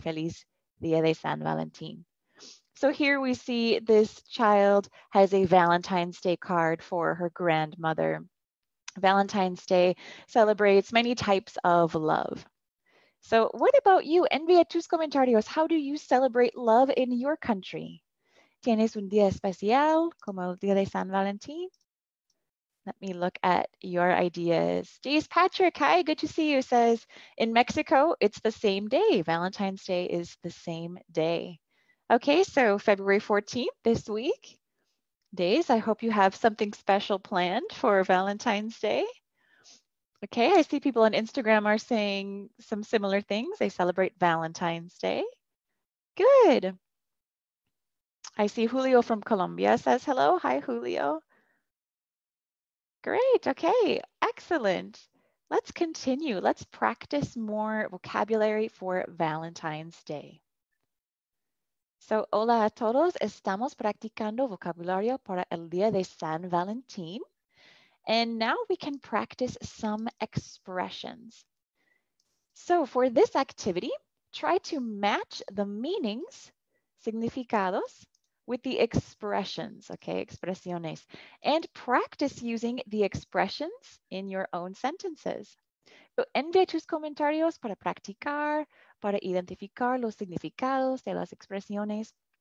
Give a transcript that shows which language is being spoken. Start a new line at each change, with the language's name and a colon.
Spanish: Feliz Día de San Valentín.
English: So here we see this child has a Valentine's Day card for her grandmother. Valentine's Day celebrates many types of love. So what about you?
Spanish: Envía tus comentarios.
English: How do you celebrate love in your country?
Spanish: ¿Tienes un día especial como el Día de San Valentín?
English: Let me look at your ideas. Jace Patrick, hi, good to see you, says, in Mexico, it's the same day. Valentine's Day is the same day. Okay, so February 14th this week. Days, I hope you have something special planned for Valentine's Day. Okay, I see people on Instagram are saying some similar things. They celebrate Valentine's Day. Good. I see Julio from Colombia says hello. Hi, Julio. Great. Okay, excellent. Let's continue. Let's practice more vocabulary for Valentine's Day.
Spanish: So, hola a todos. Estamos practicando vocabulario para el Día de San Valentín.
English: And now we can practice some expressions. So, for this activity, try to match the meanings, significados, with the expressions, okay, expresiones, and practice using the expressions in your own sentences.
Spanish: So, envía tus comentarios para practicar, para identificar los significados de las expresiones.